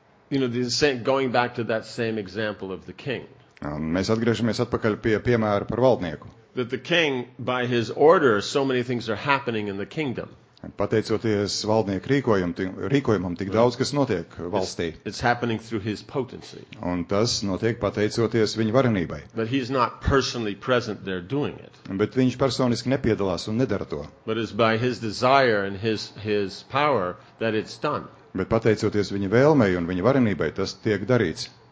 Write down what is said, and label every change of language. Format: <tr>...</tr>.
<en>Going back to that same example of the king.</en> <lv>Mēs atgriežamies atpakaļ pie piemēra par valdnieku.</lv> <en>That the king, by his order, so many things are happening in the kingdom.</en> <lv>Pateicoties valdnieku rīkojumam, tik daudz kas notiek valstī.</lv> <en>It's happening through his potency.</en> <lv>Un tas notiek pateicoties viņa varenībai.</lv> <en>But he's not personally present there doing it.</en> <lv>Bet viņš personiski nepiedalās un nedara to.</lv> <en>But it's by his desire and his power that it's done.</en> <lv>Bet pateicoties viņa vēlmei un viņa varenībai, tas tiek darīts.</lv>